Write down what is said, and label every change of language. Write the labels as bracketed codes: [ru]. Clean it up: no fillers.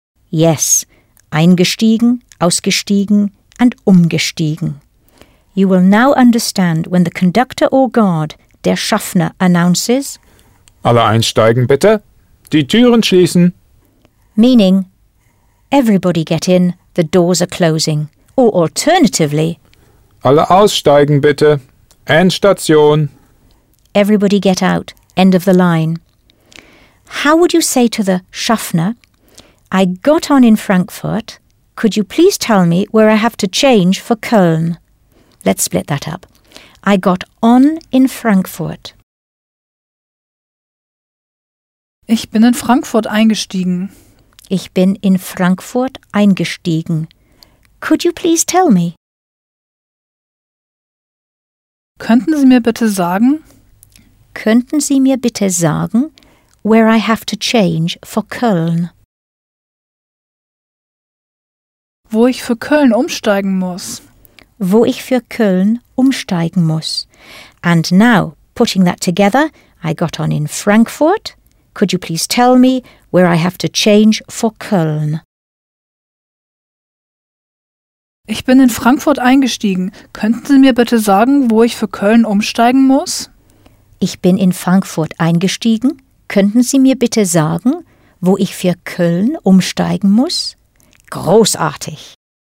[en] Yes, eingestiegen, ausgestiegen and umgestiegen. You will now understand when the conductor or guard, der Schaffner, announces, [de] alle einsteigen bitte. Die Türen schließen. [en] Meaning, everybody get in, the doors are closing. Or alternatively, [de] alle aussteigen bitte, Endstation. [en] Everybody get out, end of the line. How would you say to the Schaffner, I got on in Frankfurt, could you please tell me where I have to change for Köln? Let's split that up. I got on in Frankfurt. [de] Ich bin in Frankfurt eingestiegen. Ich bin in Frankfurt eingestiegen. [en] Could you please tell me? [de] Könnten Sie mir bitte sagen? Könnten Sie mir bitte sagen, [en] where I have to change for Köln? [de] Wo ich für Köln umsteigen muss. Wo ich für Köln umsteigen muss. [en] And now, putting that together, I got on in Frankfurt. Could you please tell me where I have to change for Köln? [de] Ich bin in Frankfurt eingestiegen. Könnten Sie mir bitte sagen, wo ich für Köln umsteigen muss? Ich bin in Frankfurt eingestiegen. Könnten Sie mir bitte sagen, wo ich für Köln umsteigen muss? Großartig!